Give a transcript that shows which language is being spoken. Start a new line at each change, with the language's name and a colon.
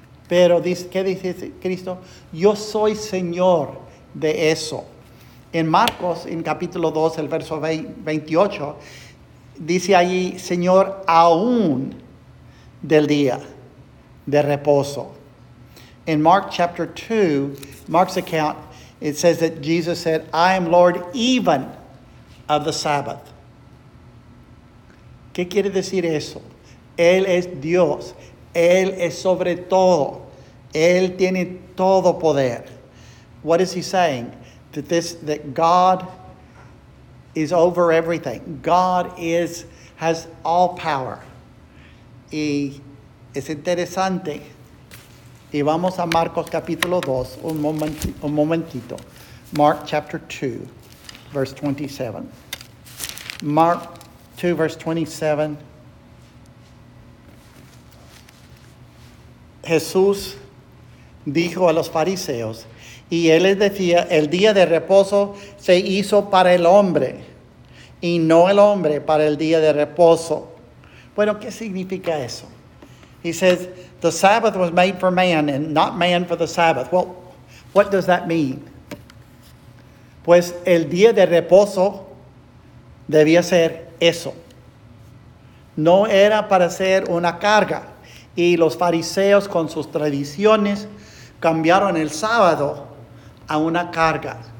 Spanish: Pero dice, ¿qué dice Cristo? Yo soy Señor de eso. En Marcos, en capítulo 2, el verso 28, dice allí, Señor, aún del día de reposo.
English: In Mark chapter 2, Mark's account, it says that Jesus said, I am Lord even of the Sabbath.
Spanish: ¿Qué quiere decir eso? Él es Dios. Él es sobre todo. Él tiene todo poder.
English: What is he saying? That God is over everything. God has all power.
Spanish: Y es interesante. Y vamos a Marcos capítulo 2, un momentito.
English: Mark chapter 2, verse 27. Mark 2, verse 27.
Spanish: Jesús dijo a los fariseos, y él les decía, el día de reposo se hizo para el hombre, y no el hombre para el día de reposo. Bueno, ¿qué significa eso?
English: He says, the Sabbath was made for man and not man for the Sabbath. Well, what does that mean?
Spanish: Pues el día de reposo debía ser eso. No era para ser una carga. Y los fariseos con sus tradiciones cambiaron el sábado a una carga.